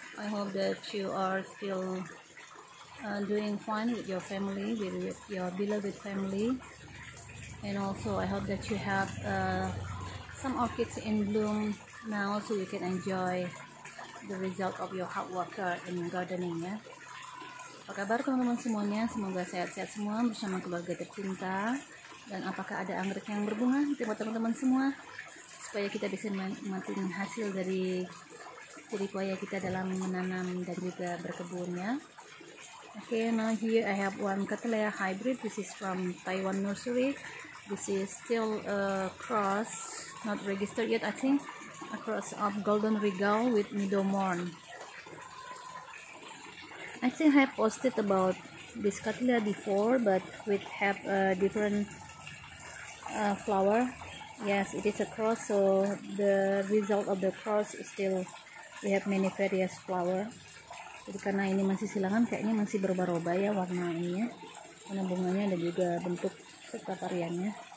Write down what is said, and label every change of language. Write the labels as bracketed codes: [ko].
[en] I hope that you are still doing fine with your family, with your beloved family. And also, I hope that you have some orchids in bloom now so you can enjoy the result of your hard work in gardening, ya. [id] Apa kabar teman-teman semuanya? Semoga sehat-sehat semua bersama keluarga tercinta. Dan apakah ada anggrek yang berbunga di tempat teman-teman semua? Supaya kita bisa menikmati hasil dari jeripaya kita dalam menanam dan juga berkebun, ya. [en] Okay, now here I have one cattleya hybrid. This is from Taiwan Nursery. This is still a cross, not registered yet, I think. A cross of Golden Regal with Meadow Morn. I think I have posted about this cattleya before, but we have a different flower. Yes, it is a cross, so the result of the cross is still we have many various flower. [id] Jadi karena ini masih silangan, kayaknya masih berubah-ubah ya warna ini ya, warna bunganya dan juga bentuk serta variannya.